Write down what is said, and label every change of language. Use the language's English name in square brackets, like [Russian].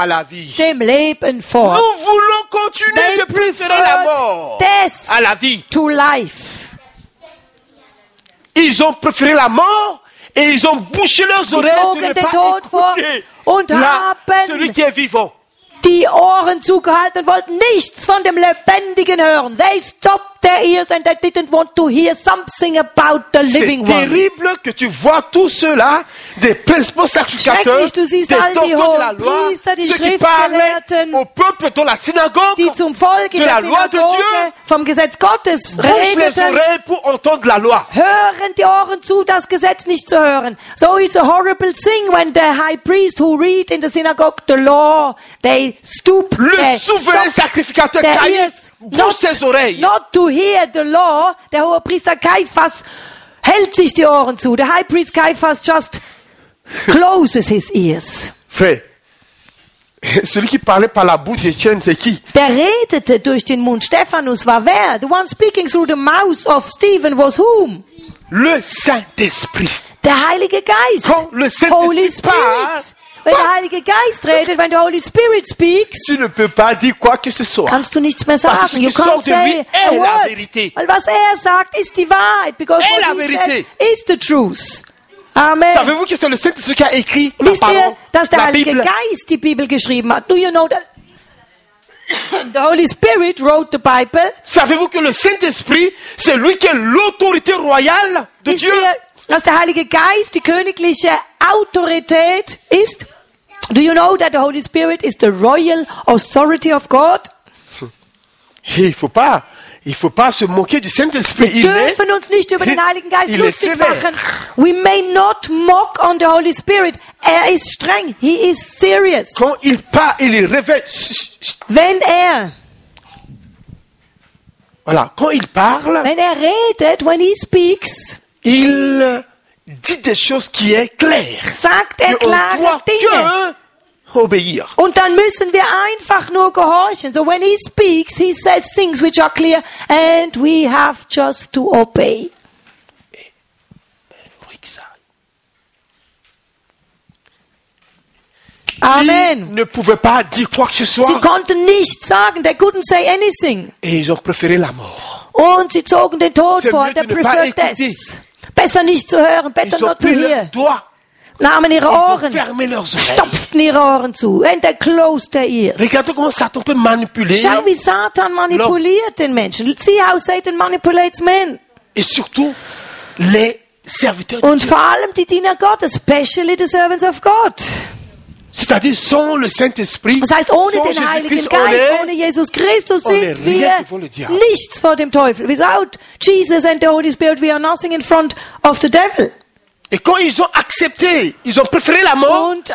[French] Ils ont préféré la mort à la vie. Nous voulons continuer de préférer la mort à la vie. [English] To life. [French] Ils ont préféré la mort et ils ont bouché leurs oreilles de ne pas écouter celui qui est vivant. [German] Die Ohren zugehalten und wollten nichts von dem Lebendigen hören. [English] They stopped their ears and they didn't want to hear something about the living one. [French] C'est terrible que tu vois tout cela, des principaux sacrificateurs, des docteurs de la loi, ceux qui parlaient au peuple dans la synagogue, [German] die zum Volk in der Synagoge, vom Gesetz Gottes redeten, hören die Ohren zu, das Gesetz nicht zu hören. [English] So it's a horrible thing when the high priest who read in the synagogue the law, they stoop. [French] Le souverain sacrificateur Caïphe bouge ses oreilles. [English] Not to hear the law, [German] der hohe Priester Caiphas hält sich die Ohren zu. [English] The high priest Caiphas just closes his ears. [French] Frère, celui qui parlait par la bouche de Stéphane, c'est qui? [German] Der redete durch den Mund Stephanus war wer? [English] The one speaking through the mouth of Stephen was whom? [French] Le Saint-Esprit. [German] Der Heilige Geist. [French] Quand le Saint-Esprit parle. [German] Wenn der Heilige Geist redet, wenn der [English] Holy Spirit speaks, [French] tu ne peux pas dire quoi que ce soit. [German] Kannst du nichts mehr sagen. [French] Parce que ce qui sort de lui est la vérité. [German] Weil was sagt, ist die Wahrheit. [English] Because what he says is the truth. Amen. [French] Savez-vous que c'est le Saint-Esprit qui a écrit la [German] Wisst [French] parole, [German] ihr, dass der [French] la [German] Heilige [French] Bible. [German] Geist die Bibel geschrieben hat? [English] Do you know that the Holy Spirit wrote the Bible? [French] Savez-vous que le Saint-Esprit, c'est lui qui est l'autorité royale de [German] Wisst [French] Dieu? [German] Ihr, dass der Heilige Geist die königliche Autorität ist? [English] Do you know that the Holy Spirit is the royal authority of God? [French] Il faut pas se moquer du Saint-Esprit. [German] Wir dürfen uns nicht über den Heiligen Geist lustig machen. [English] We may not mock on the Holy Spirit. [German] Er ist streng. [English] He is serious. [French] Quand il parle, il révèle. [German] Wenn er [French] voilà, quand il parle, [German] wenn er redet, [English] when he speaks, [French] il dit des choses qui est claires. [German] Sagt er klare Dinge. [French] Obéir. [German] Und dann müssen wir einfach nur gehorchen. [English] So when he speaks, he says things which are clear and we have just to obey. Amen. [French] Ils ne pouvaient pas dire quoi que ce soit. [German] Sie konnten nichts sagen, [English] they couldn't say anything. [French] Et ils ont préféré la mort. [German] Und sie zogen den Tod vor, [English] they preferred death. [German] Besser nicht zu hören, [English] better not to hear. [German] Nahmen ihre Ohren, stopften ihre Ohren zu, [English] and they closed their ears. [French] Regarde comment Satan peut manipuler. [German] Schau, wie Satan manipuliert den Menschen. [English] See how Satan manipulates men. [French] Et surtout les serviteurs. [German] Und vor allem die Diener Gottes, [English] especially the servants of God. [French] C'est-à-dire sans le Saint-Esprit, [German] das heißt, ohne den Heiligen Geist, ohne Jesus Christus sind wir nichts vor dem Teufel. [English] Without Jesus and the Holy Spirit, we are nothing in front of the devil. [French] Et quand ils ont accepté, ils ont préféré la mort,